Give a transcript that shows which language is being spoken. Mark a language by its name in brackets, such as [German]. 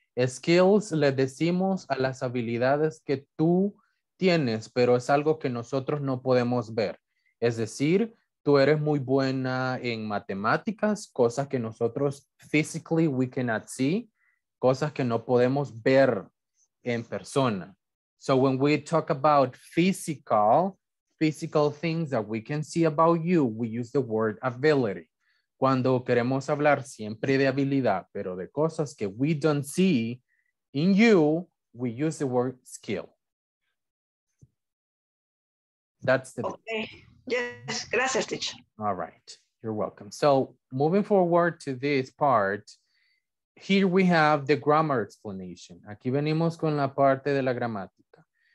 [Spanish] Skills le decimos a las habilidades que tú tienes, pero es algo que nosotros no podemos ver. Es decir, tú eres muy buena en matemáticas, cosas que nosotros [English] physically we cannot see, [Spanish] cosas que no podemos ver en persona. [English] So when we talk about physical things that we can see about you, we use the word ability. [Spanish] Cuando queremos hablar siempre de habilidad, pero de cosas que [English] we don't see in you, we use the word skill. That's the okay. Yes, gracias, teacher. All right, you're welcome. So moving forward to this part, here we have the grammar explanation. [Spanish] Aquí venimos con la parte de la gramática.